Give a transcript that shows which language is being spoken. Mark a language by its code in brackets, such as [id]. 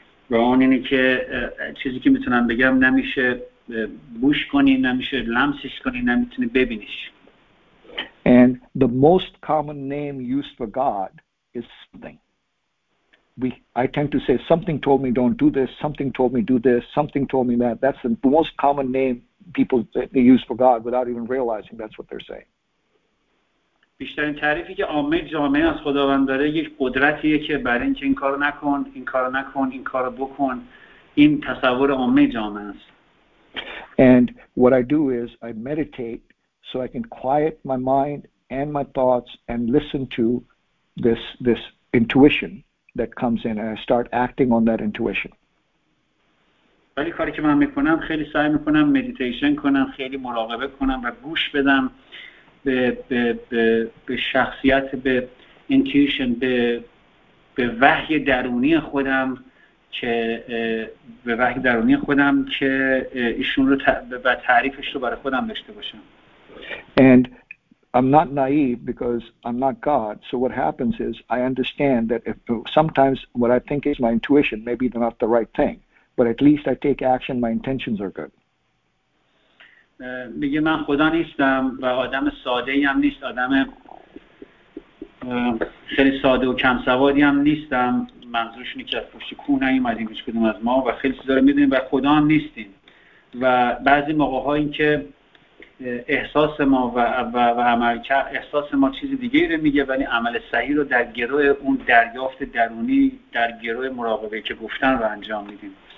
[fa] و اون اینه که چیزی که میتونم بگم نمیشه بوش کنی، نمیشه لمسش کنی، نمیتونی ببینیش. [en] And the most common name used for God is something. I tend to say something told me don't do this, something told me do this, something told me that. That's the most common name people that they use for God without even realizing that's what they're saying. [fa] بیشترین تعریفی که عامه جامعه از خداوند داره یک قدرتیه که برای اینکه این کارو نکن، این کارو نکن، این کارو بکن، این تصور عامه جامعه است. [en] And what I do is I meditate so I can quiet my mind and my thoughts and listen to this intuition that comes in and I start acting on that intuition. [fa] ولی کاری که من میکنم خیلی سعی میکنم مدیتیشن کنم، خیلی مراقبه کنم و گوش بدم به شخصیت، به intuition، به وحی درونی خودم که به وحی درونی خودم که ایشون رو و تعریفش رو برای خودم داشته باشم. [en] And I'm not naive because I'm not God. So what happens is I understand that if sometimes what I think is my intuition, maybe they're not the right thing. But at least I take action. My intentions are good. [fa] میگه من خدا نیستم و آدم ساده ایم نیست، آدم خیلی ساده و کم سوادی هم نیستم. منظورش اینه که از پشت کوه نیومدیم هیچ کدوم از ما و خیلی چیزا رو میدونیم و خدا هم نیستیم. و بعضی موقع ها این که احساس ما و عمل کرد احساس ما چیز دیگه‌ای رو میگه، ولی عمل صحیح رو در گروه اون دریافت درونی، در گروه مراقبه که گفتن رو انجام میدیم.